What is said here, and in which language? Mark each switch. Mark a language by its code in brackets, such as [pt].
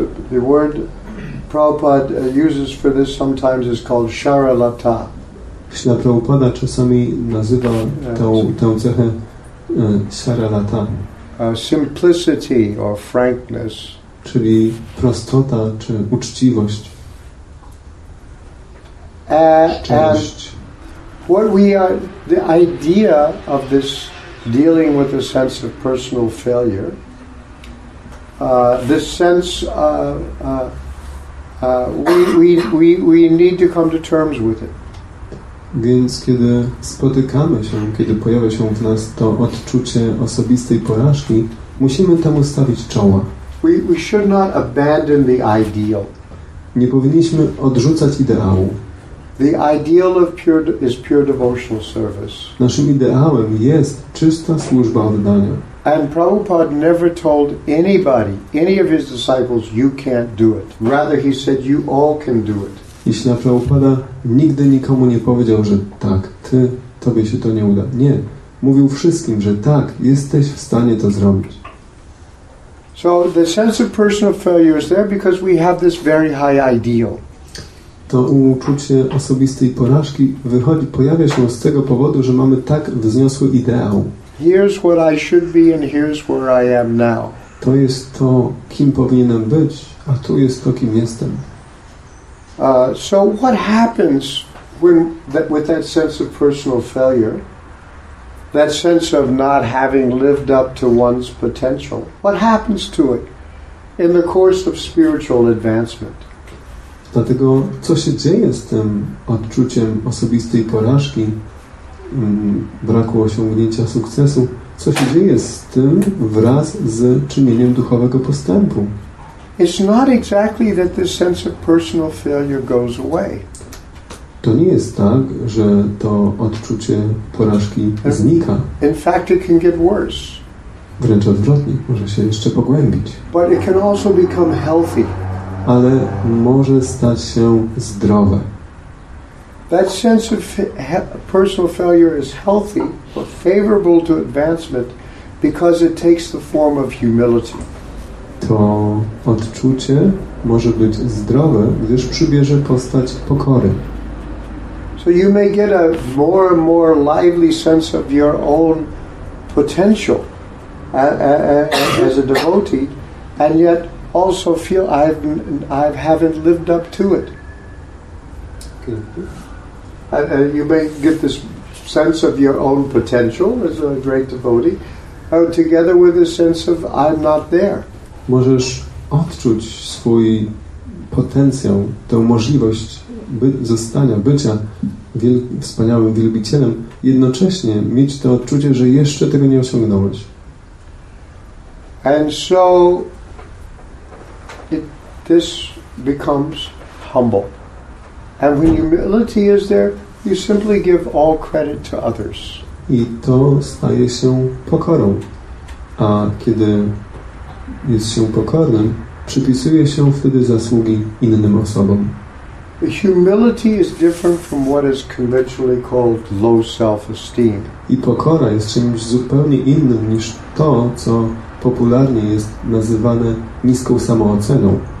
[en] The word Prabhupada uses for this sometimes is called sharalata. [pl] Śla Prabhupada czasami nazywa tę cechę sharalata. [en] Simplicity or frankness. [pl] Czyli prostota czy uczciwość. [en] And what we are, the idea of this dealing with a sense of personal failure, this sense of we need to come to terms with it. [pl] Więc kiedy spotykamy się, kiedy pojawia się w nas to odczucie osobistej porażki, musimy temu stawić czoła. [en] We should not abandon the ideal. [pl] Nie powinniśmy odrzucać ideału. [en] The ideal of pure is pure devotional service. [pl] Naszym ideałem jest czysta służba oddania. [en] And Prabhupada never told anybody, any of his disciples, you can't do it. Rather, he said, you all can do it. [pl] I Śla Prabhupada nigdy nikomu nie powiedział, że tak, ty, tobie się to nie uda. Nie. Mówił wszystkim, że tak, jesteś w stanie to zrobić. [en] So the sense of personal failure is there because we have this very high ideal. [pl] To uczucie osobistej porażki wychodzi, pojawia się z tego powodu, że mamy tak wzniosły ideał. [en] Here's what I should be and here's where I am now. [pl] To jest to, kim powinienem być, a tu jest to, kim jestem. [en] So what happens when with that sense of personal failure, that sense of not having lived up to one's potential, what happens to it in the course of spiritual advancement? [pl] Dlatego, co się dzieje z tym odczuciem osobistej porażki, braku osiągnięcia sukcesu, co się dzieje z tym wraz z czynieniem duchowego postępu? [en] It's not exactly that the sense of personal failure goes away. [pl] To nie jest tak, że to odczucie porażki znika. [en] In fact, it can get worse. [pl] Wręcz odwrotnie, może się jeszcze pogłębić. [en] But it can also become healthy. [pl] Ale może stać się zdrowe. [en] That sense of personal failure is healthy or favorable to advancement because it takes the form of humility. [pl] To odczucie może być zdrowe, gdyż przybierze postać pokory. [en] So you may get a more and more lively sense of your own potential as a devotee, and yet also feel I haven't lived up to it. You may get this sense of your own potential as a great devotee, together with a sense of I'm not there. [pl] Możesz odczuć swój potencjał, tę możliwość zostania, bycia wspaniałym wielbicielem, jednocześnie mieć to odczucie, że jeszcze tego nie osiągnąłeś. [en] And so this becomes humble. And when humility is there, you simply give all credit to others. [pl] I to staje się pokorą. A kiedy jest się pokornym, przypisuje się wtedy zasługi innym osobom. [en] Humility is different from what is conventionally called low self-esteem. [pl] I pokora jest czymś zupełnie innym niż to, co popularnie jest nazywane niską samooceną.